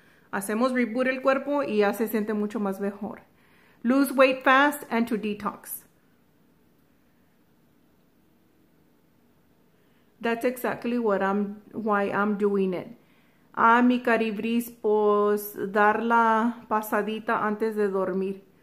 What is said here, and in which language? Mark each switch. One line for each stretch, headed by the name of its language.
Spanish: Hacemos reboot el cuerpo y ya se siente mucho más mejor.
English: Lose weight fast and to detox. That's exactly why I'm doing it.
Spanish: Ah, mi caribris, pues dar la pasadita antes de dormir.